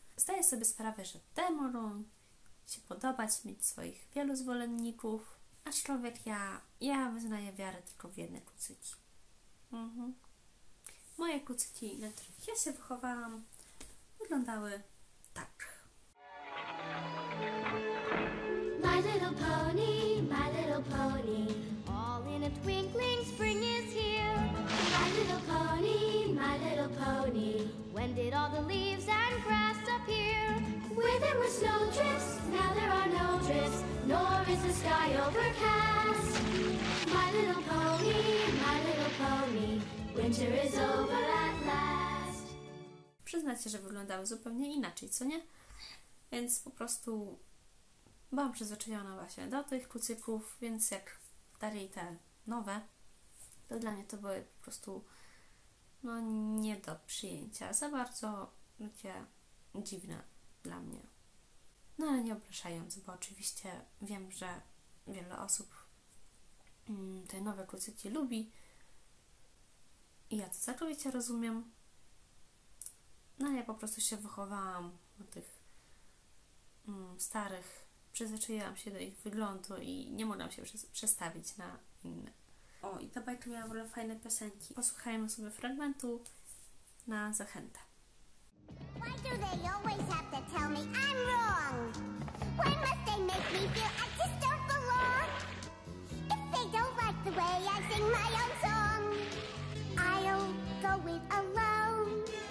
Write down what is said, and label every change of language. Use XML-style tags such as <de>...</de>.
<pl>Zdaję sobie sprawę, że te mogą się podobać, mieć swoich wielu zwolenników. Aczkolwiek ja wyznaję wiarę tylko w jedne kucyki. Moje kucyki, na których ja się wychowałam, wyglądały tak.</pl> <en>My little pony, my little pony, all in a twinkling spring is here. My little pony, my little pony, when did all the leaves and grass appear? Where there were snow drifts, now there are no drifts, nor is the sky overcast. My little pony, my little pony, winter is over at last.</en> <pl>Przyznacie, że wyglądały zupełnie inaczej, co nie? Więc po prostu byłam przyzwyczajona właśnie do tych kucyków, więc jak dali te nowe, to dla mnie to były po prostu no nie do przyjęcia. Za bardzo takie dziwne dla mnie. No ale nie obrażając, bo oczywiście wiem, że wiele osób te nowe kucyki lubi i ja to całkowicie rozumiem. No ale ja po prostu się wychowałam do tych starych, przyzwyczaiłam się do ich wyglądu i nie mogłam się przestawić na inne. O, i ta bajka miała w ogóle fajne piosenki. Posłuchajmy sobie fragmentu na zachętę.</pl> <en>Why do they always have to tell me I'm wrong? Why must they make me feel I just don't belong? If they don't like the way I sing my own song, I'll go it alone.</en>